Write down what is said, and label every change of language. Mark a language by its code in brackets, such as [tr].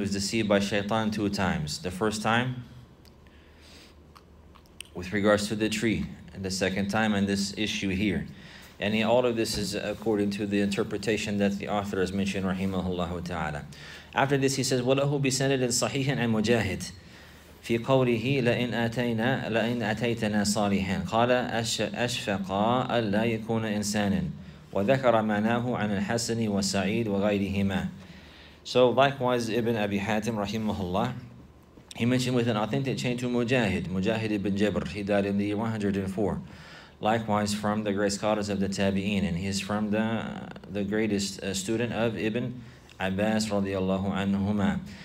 [en] The first time with regards to the tree, and the second time and this issue here. And all of this is according to the interpretation that the author has mentioned, rahimahullah ta'ala. After this, he says, [ar] وَلَهُ بِسَنَدٍ صَحِيحٍ عَنْ مُجَاهِدٍ فِي قَوْلِهِ لَإِنْ أَتَيْتَنَا صَالِحًا قَالَ أَشْفَقَا أَلَّا يَكُونَ إِنسَانٍ وَذَكَرَ مَعْنَاهُ عَنَ الْحَسَنِ وَسَعِيدٍ وَغَيْرِهِمَا. [en] So likewise, Ibn Abi Hatim, rahimahullah, he mentioned with an authentic chain to Mujahid, Mujahid ibn Jabr. He died in the year 104. Likewise, from the great scholars of the Tabi'een, and he's from the greatest student of Ibn Abbas radiallahu anhuma.